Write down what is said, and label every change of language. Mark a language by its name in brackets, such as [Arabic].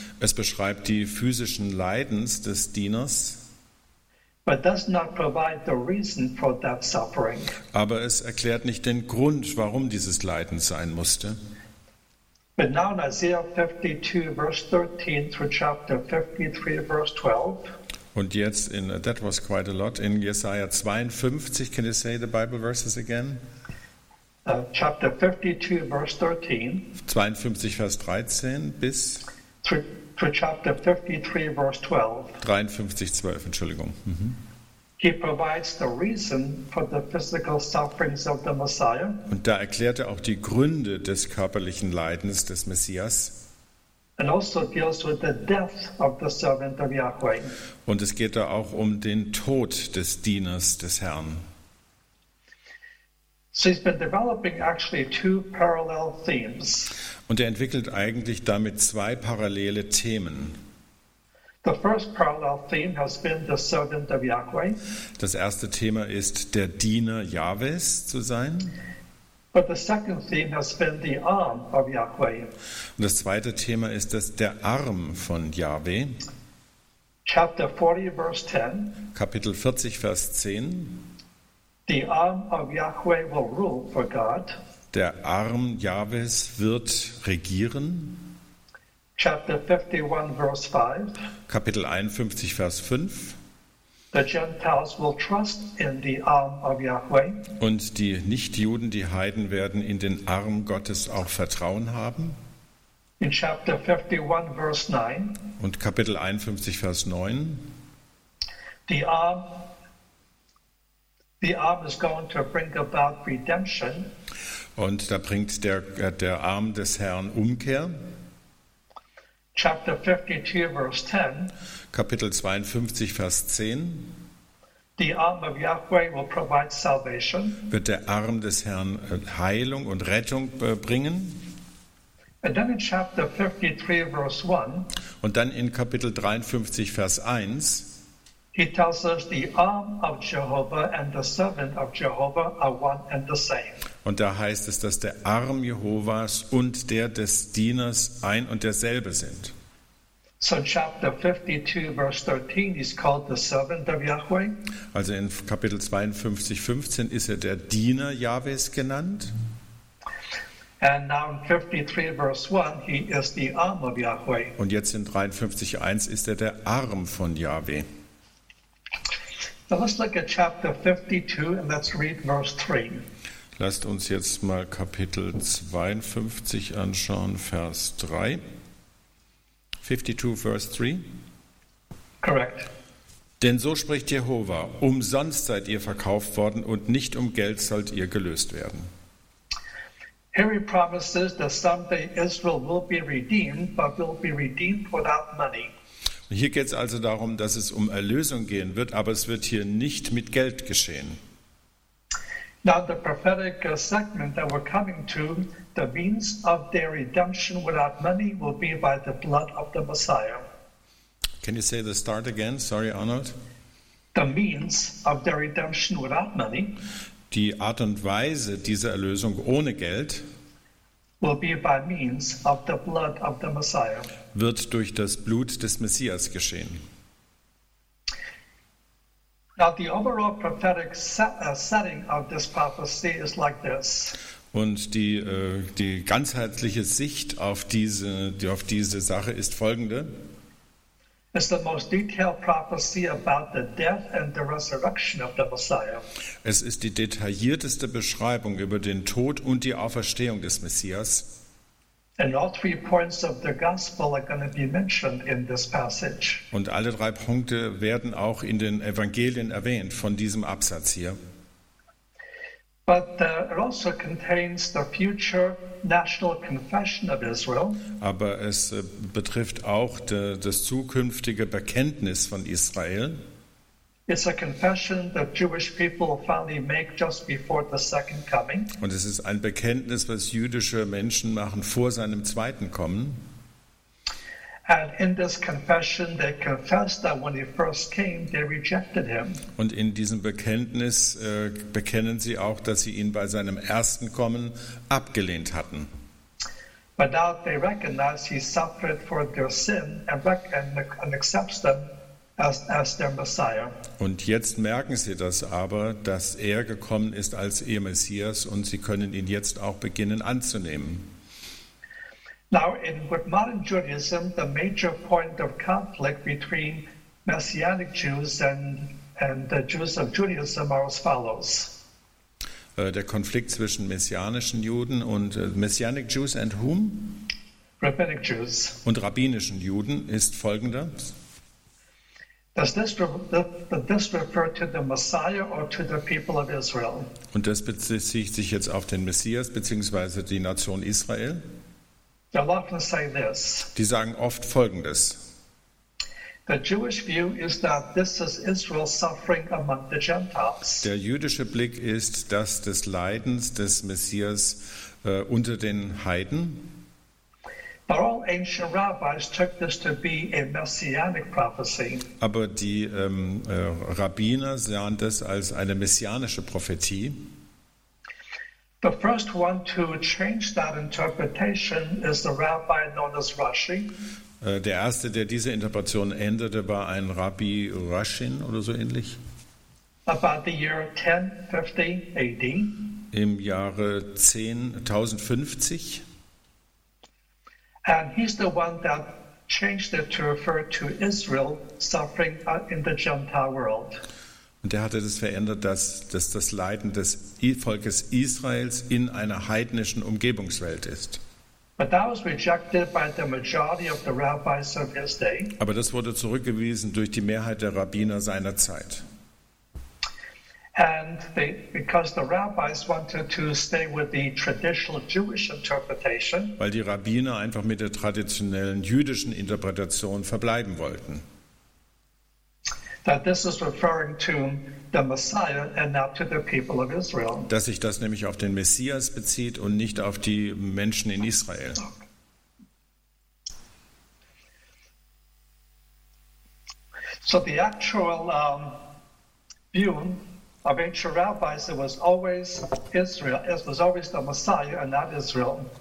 [German] Es beschreibt die physischen Leidens des Dieners. [English] But does not provide the reason for that suffering. [German] Aber es erklärt nicht den Grund, warum dieses Leiden sein musste. [English] But now in Isaiah 52, verse 13 through chapter 53, verse 12. [German] Und jetzt in, [English] that was quite a lot, [German] in Jesaja 52, [English] can you say the Bible verses again? Chapter 52, verse 13. [German] 52, Vers 13 bis? [English] Through chapter 53, verse 12. [German] 53, 12, Entschuldigung. Mm-hmm. [English] He provides the reason for the physical sufferings of the Messiah. [German] Und da erklärt er auch die Gründe des körperlichen Leidens des Messias. [English] And also deals with the death of the servant of Yahweh. [German] Und es geht da auch um den Tod des Dieners des Herrn. [English] So he's been developing actually two parallel themes. [German] Und er entwickelt eigentlich damit zwei parallele Themen. [English] The first parallel theme has been the servant of Yahweh. [German] Das erste Thema ist der Diener Jahwes zu sein. [English] But the second theme has been the arm of Yahweh. [German] Und das zweite Thema ist das der Arm von Yahweh. [English] Chapter 40, verse 10. [German] Kapitel 40, Vers 10. [English] The arm of Yahweh will rule for God. [German] Der Arm Jahwes wird regieren. [English] Chapter 51, verse 5. [German] Kapitel 51, Vers 5. [English] The Gentiles will trust in the arm of Yahweh. [German] Und die Nichtjuden, die Heiden, werden in den Arm Gottes auch Vertrauen haben. [English] In chapter 51, verse 9. [German] Und Kapitel 51, Vers 9. [English] The arm is going to bring about redemption. [German] Und da bringt der Arm des Herrn Umkehr. [English] Chapter 52, verse 10. [German] Kapitel 52, Vers 10. [English] The arm of Yahweh will provide salvation. [German] Wird der Arm des Herrn Heilung und Rettung bringen. [English] And then in chapter 53, verse 1. [German] Und dann in Kapitel 53, Vers 1. [English] He tells us the arm of Jehovah and the servant of Jehovah are one and the same. [German] Und da heißt es, dass der Arm Jehovas und der des Dieners ein und derselbe sind. [English] So in chapter 52, verse 13, he's called the servant of Yahweh. [German] Also in Kapitel 52, 15 ist er der Diener Jahwes genannt. [English] And now in 53, verse 1, he is the arm of Yahweh. [German] Und jetzt in 53, 1 ist er der Arm von Yahweh. [English] Now let's look at chapter 52 and let's read verse 3. [German] Lasst uns jetzt mal Kapitel 52 anschauen, Vers 3. 52, Vers 3. [English] Correct. [German] Denn so spricht Jehova: Umsonst seid ihr verkauft worden und nicht um Geld sollt ihr gelöst werden. [English] Here he promises that someday Israel will be redeemed, but will be redeemed without money. [German] Hier geht es also darum, dass es um Erlösung gehen wird, aber es wird hier nicht mit Geld geschehen. [English] Now the prophetic segment that we're coming to, the means of their redemption without money will be by the blood of the Messiah. Can you say the start again? Sorry, Arnold. The means of their redemption without money. [German] Die Art und Weise dieser Erlösung ohne Geld [English] will be by means of the blood of the Messiah. [German] Wird durch das Blut des Messias geschehen. [English] Now the overall prophetic setting of this prophecy is like this. [German] Und die ganzheitliche Sicht auf diese Sache ist folgende. [English] It's the most detailed prophecy about the death and the resurrection of the Messiah. [German] Es ist die detaillierteste Beschreibung über den Tod und die Auferstehung des Messias. [English] And all three points of the gospel are going to be mentioned in this passage. [German] Und alle drei Punkte werden auch in den Evangelien erwähnt von diesem Absatz hier. [English] But it also contains the future national confession of Israel. [German] Aber es betrifft auch das zukünftige Bekenntnis von Israel. [English] It's a confession that Jewish people finally make just before the second coming. [German] Und es ist ein Bekenntnis, was jüdische Menschen machen vor seinem zweiten Kommen. [English] And in this confession, they confess that when he first came, they rejected him. [German] Und in diesem Bekenntnis bekennen sie auch, dass sie ihn bei seinem ersten Kommen abgelehnt hatten. [English] But now they recognize he suffered for their sin and accepts them as their Messiah. [German] Und jetzt merken sie das aber, dass er gekommen ist als ihr Messias und sie können ihn jetzt auch beginnen anzunehmen. [English] Now in with modern Judaism, the major point of conflict between Messianic Jews and the Jews of Judaism are as follows. [German] Der Konflikt zwischen messianischen Juden und [English] Messianic Jews and whom? Rabbinic Jews. [German] Und rabbinischen Juden ist folgender. [English] Does this refer to the Messiah or to the people of Israel? [German] Und das bezieht sich jetzt auf den Messias bzw. die Nation Israel? [English] They'll often say this. [German] Die sagen oft folgendes. [English] The Jewish view is that this is Israel suffering among the Gentiles. [German] Der jüdische Blick ist das des Leidens des Messias unter den Heiden. [English] But all ancient rabbis took this to be a messianic prophecy. [German] Aber die Rabbiner sahen das als eine messianische Prophetie. [English] The first one to change that interpretation is the rabbi known as Rashi. [German] Der erste, der diese Interpretation änderte, war ein Rabbi Rashin oder so ähnlich. [English] About the year 1050 AD. [German] Im Jahre 1050. [English] And he's the one that changed it to refer to Israel suffering in the Gentile world. [German] Und er hatte das verändert, dass das Leiden des Volkes Israels in einer heidnischen Umgebungswelt ist. [English] But that was rejected by the majority of the rabbis of his day. [German] Aber das wurde zurückgewiesen durch die Mehrheit der Rabbiner seiner Zeit. [English] And because the rabbis wanted to stay with the traditional Jewish interpretation. [German] Weil die Rabbiner einfach mit der traditionellen jüdischen Interpretation verbleiben wollten. [English] That this is referring to the Messiah and not to the people of Israel. [German] Dass sich das nämlich auf den Messias bezieht und nicht auf die Menschen in Israel. [English] So the actual view of ancient rabbis, it was always Israel. It was always the Messiah and not Israel.